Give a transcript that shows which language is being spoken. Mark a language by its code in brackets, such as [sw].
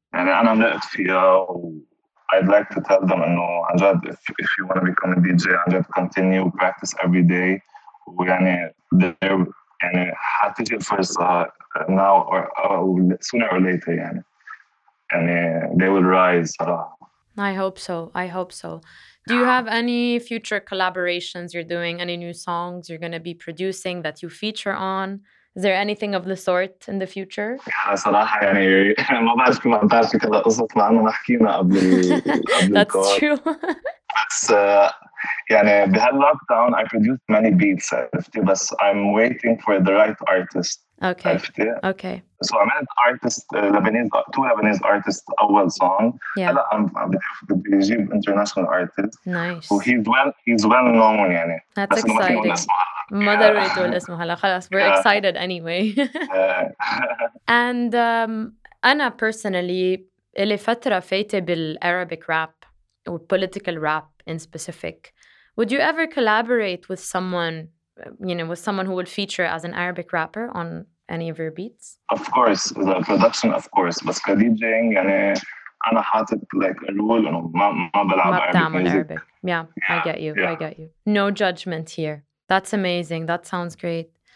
[ar] يعني أنا مرقت فيها [en] I'd like to tell them [ar] إنه عن جد [en] if you want to become a DJ [ar] عن جد [en] continue practice every day [ar] ويعني يعني حتيجي الفرصة [en] now or sooner or later يعني they will rise صراحة. I hope so. Do you have any future collaborations you're doing, any new songs you're going to be producing that you feature on? Is there anything of the sort in the future? [ar] صراحة يعني ما بعرف كيف عم تعرفي كذا قصة ما عنا حكينا قبل [en] That's true. [ar] بس يعني بهاللوكداون [en] I produced many beats [ar] عرفتي بس [en] I'm waiting for the right artist. Okay. [ar] عرفتي. [en] Okay. So I met artist Lebanese two Lebanese artists أول song. Yeah. [ar] هلا عم بجيب [en] international artist. Nice. Who he's well known يعني. That's exciting. Mother yeah. Ritual is Mahala. Khalas, we're yeah. excited anyway. Yeah. And أنا personally, [ar] إلي فترة فايتة [en] بالArabic rap or political rap in specific. Would you ever collaborate with someone, you know, with someone who will feature as an Arabic rapper on any of your beats? Of course, the production, of course. But DJing, [ar] يعني أنا حاطط [en] like a rule [ar] إنه ما بلعب [en] Arabic. [ar] ما بتعمل [en] Arabic. Yeah, yeah, I get you. No judgment here. That's amazing. That sounds great.